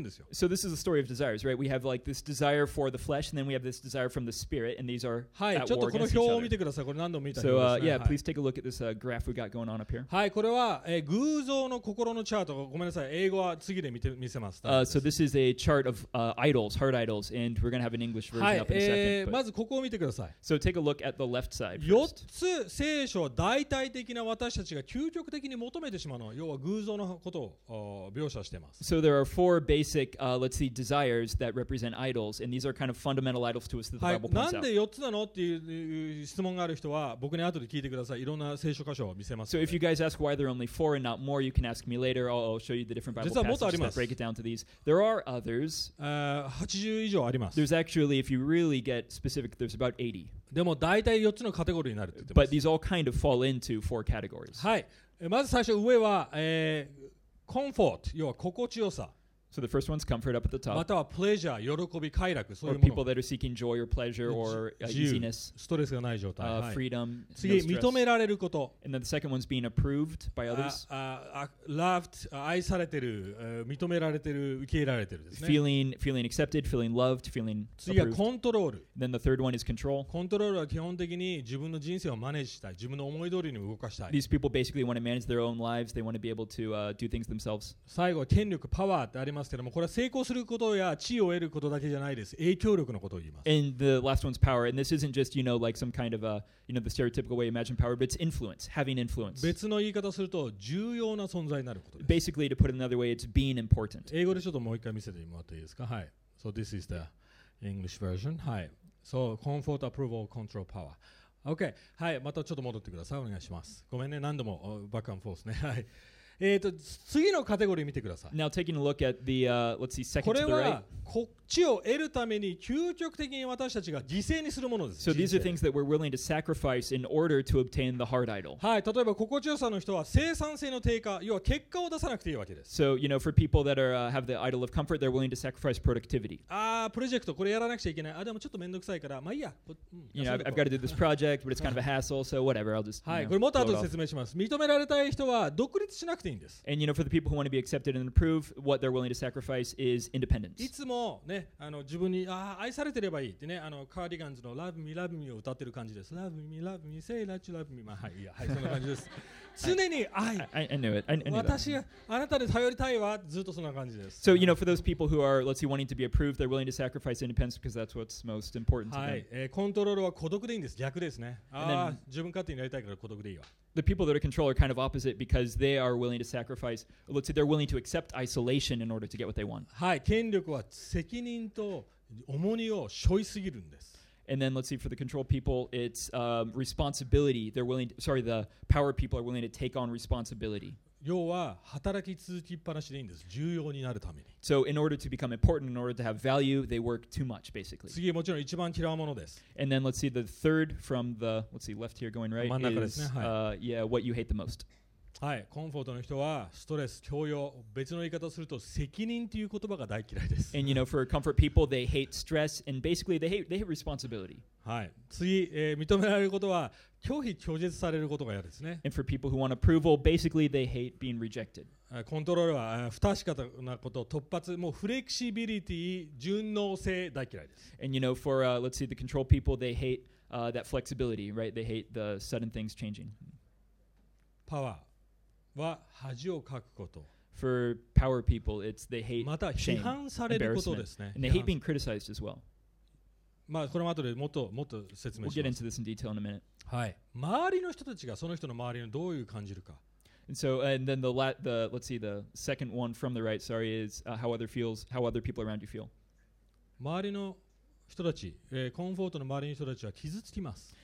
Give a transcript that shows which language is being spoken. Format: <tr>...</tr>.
<en>So this is a story of desires, right? We have like this desire for the flesh, and then we have this desire from the spirit, and these are at war against each other. Please take a look at this graph we got going on up here.</en> <ja>はい、これは、偶像の心のチャート。ごめんなさい、英語は次で見せます。</ja> <en>So this is a chart of idols, heart idols, and we're going to have an English version up in a second.</en> <ja>まずここを見てください。</ja> <en>So take a look at the left side.</en> <ja>4つ聖書は大体的な私たちが究極的に求めてしまうの、要は偶像のことを描写しています。</ja> <en>So there are four basic, let's see, desires that represent idols, and these are kind of fundamental idols to us that the Bible points out.</en> <ja>はい、なんで四つなのっていう質問がある人は僕に後で聞いてください。いろんな聖書箇所を見せます。</ja> <en>So if you guys ask why there are only four and not more, you can ask me later. I'll show you the different Bible passages that break it down to these. There are others.</en> <ja>80以上あります。</ja> <en>There's actually, if you really get specific, there's about 80.</en> <ja>でも大体四つのカテゴリーになるって言ってます。</ja> <en>But these all kind of fall into four categories.</en> <ja>はい、まず最初上は、Comfort, 要は心地よさ。</ja> <en>So the first one's comfort up at the top.</en> <ja>またはpleasure, 喜び、快楽、そういうもの。</ja> <en>Or people that are seeking joy or pleasure or easiness.</en> <ja>ストレスがない状態。</ja> <en>Freedom.</en> <ja>次、no、認められること。</ja> <en>And then the second one's being approved by others.</en> <ja>Loved, 愛されてる、認められてる、受け入れられてるですね。</ja> <en>Feeling accepted, feeling loved, feeling approved.</en> <ja>次はコントロール。</ja> <en>Then the third one is control.</en> <ja>コントロールは基本的に自分の人生をマネージしたい、自分の思い通りに動かしたい。</ja> <en>These people basically want to manage their own lives. They want to be able to do things themselves.</en> <ja>最後、権力、パワーってあります。これは成功することや地位を得ることだけじゃないです。影響力のことを言います。</ja> <en>And the last one's power. And this isn't just, you know, like some kind of a, you know, the stereotypical way you imagine power, but it's influence, having influence.</en> <ja>別の言い方すると重要な存在になることです。</ja> <en>Basically, to put it another way, it's being important.</en> <ja>英語でちょっともう一回見せてもらっていいですか？</ja> <en>はい。So this is the English version. はい。So comfort, approval, control, power. Okay. はい。</en> <ja>またちょっと戻ってください。お願いします。ごめんね。何度もバックアンドフォースね。はい。次のカテゴリー見てください。</ja> <en>Now taking a look at the, let's see, second to the</en> <ja>right. これはこっちを得るために究極的に私たちが犠牲にするものです。</ja> <en>So these are things that we're willing to sacrifice in order to obtain the heart idol.</en> <ja>はい、例えば心地よさの人は生産性の低下、要は結果を出さなくていいわけです。</ja> <en>So, you know, for people that are, have the idol of comfort, they're willing to sacrifice productivity.</en> <ja>ああ、プロジェクト、これやらなくちゃいけない。あ、でもちょっとめんどくさいから、まあいいや。</ja> <en>You know, I've got to do this project, but it's kind of a hassle, so whatever, I'll just,</en> <ja>はい、これもっと後で説明します。認められたい人は独立しなくていい。</ja> <en>And you know, for the people who want to be accepted and approved, what they're willing to sacrifice is independence.</en> <ja>いつもね、あの自分にあ愛されてればいいってね、あのカーディガンズの Love Me, Love Me を歌ってる感じです。</ja> <en>Love Me, Love Me, Say That You Love Me、</en> <ja>まあ、はい、いや、はい、そんな感じです。常に愛。</ja> <en>I knew it. I knew that.</en> <ja>私があなたで頼りたいわ。ずっとそんな感じです。</ja> <en>So you know, for those people who are, let's see, wanting to be approved, they're willing to sacrifice independence because that's what's most important to them.</en> <ja>はい、コントロールは孤独でいいんです。逆ですね。ああ、自分勝手になりたいから孤独でいいわ。</ja> <en>The people that are control are kind of opposite because they are willing to sacrifice. Let's say they're willing to accept isolation in order to get what they want.</en> <ja>はい、権力は責任と重荷を背負いすぎるんです。</ja> <en>And then let's see, for the control people, it's responsibility. They're willing to, sorry, the power people are willing to take on responsibility.</en> <ja>要は働き続きっぱなしでいいんです。重要になるために。</ja> <en>So in order to become important, in order to have value, they work too much, basically.</en> <ja>次はもちろん一番嫌うものです。</ja> <en>And then let's see the third from the, let's see, left here going right,</en> <ja>真ん中ですね。</ja> <en>is yeah, what you hate the most.</en> <ja>はい、コンフォートの人はストレス、強要、別の言い方をすると責任という言葉が大嫌いです。</ja> <en>And you know, for comfort people, they hate stress, and basically they hate responsibility.</en> <ja>はい、次、認められることは拒否、拒絶されることが嫌ですね。</ja> <en>And for people who want approval, basically they hate being rejected.</en> <ja>コントロールは不確かなこと、突発、もうフレキシビリティ、順応性大嫌いです。</ja> <en>And you know, for let's see, the control people, they hate that flexibility, right? They hate the sudden things changing.</en> <ja>パワー。は恥をかくこと。</ja> <en>For power people, it's they hate</en> <ja>また批判されることですね。</ja> <en>And they hate being criticized as well.</en> <ja>まあこれも後でもっと説明します。</ja> <en>We'll get into this in detail in a minute.</en> <ja>はい。周りの人たちがその人の周りにどういう感じるか。</ja> <en>And so, and then the let's see, the second one from the right, sorry, is how other people around you feel.</en> <ja>周りの人たち、コンフォートの周りの人たちは傷つきます。</ja>